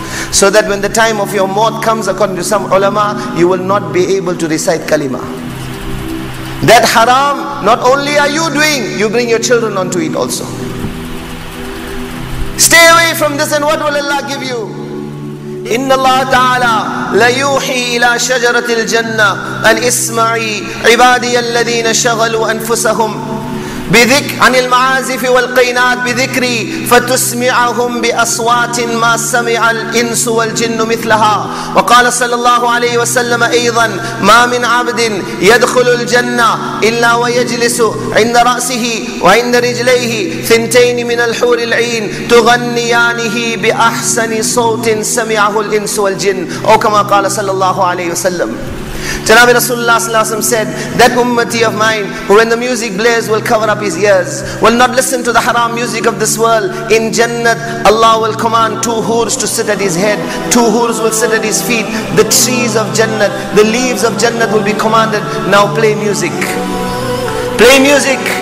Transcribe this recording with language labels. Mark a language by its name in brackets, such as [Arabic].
[English] So that when the time of your mouth comes, according to some ulama, you will not be able to recite kalima. That haram, not only are you doing, you bring your children onto it also. Stay away from this, and what will Allah give you? [Arabic] إِنَّ اللَّهَ تَعَالَى لَيُوحِي إِلَى شَجَرَةِ الْجَنَّةِ الْإِسْمَعِي عِبَادِيَ الَّذِينَ شَغَلُوا أَنفُسَهُمْ عن المعازف والقينات بذكري فتسمعهم بأصوات ما سمع الإنس والجن مثلها وقال صلى الله عليه وسلم أيضا ما من عبد يدخل الجنة إلا ويجلس عند رأسه وعند رجليه ثنتين من الحور العين تغنيانه بأحسن صوت سمعه الإنس والجن أو كما قال صلى الله عليه وسلم. [English] Janabi Rasulullah sallallahu alaihi wasallam said, that ummati of mine who when the music blares will cover up his ears, will not listen to the haram music of this world, in Jannat Allah will command two hoors to sit at his head, two hoors will sit at his feet, the trees of Jannat, the leaves of Jannat will be commanded, now play music. Play music.